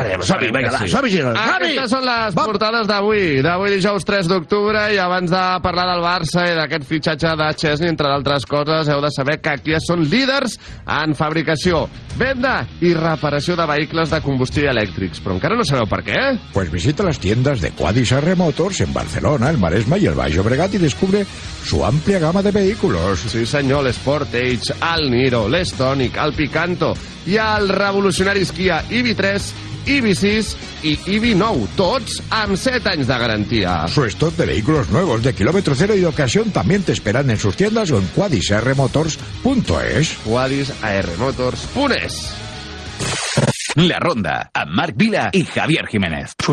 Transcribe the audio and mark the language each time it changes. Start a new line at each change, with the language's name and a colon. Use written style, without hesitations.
Catalan: Som-hi, Girona! Aquestes són les portades d'avui. D'avui dijous 3 d'octubre, i abans de parlar del Barça i d'aquest fitxatge de Chesney, entre d'altres coses, heu de saber que aquí són líders en fabricació, venda i reparació de vehicles de combustible elèctrics. Però encara no sabeu per què.
Spanish: Pues visita les tiendes de Quadisarre Motors en Barcelona, el Maresme i el Baix Obregat i descubre su amplia gama de vehículos. Sí, senyor, l'Sportage, el Niro, l'Eston, el Picanto i el revolucionari Kia EV3, EV6 i EV9, tots amb 7 anys de garantia. Su stock de vehículos nuevos de kilómetro cero y de ocasión también te esperan en sus tiendas o en quadisarremotors.es. quadisarremotors.es.
Catalan: La Ronda, amb Marc Vila i Javier Jiménez.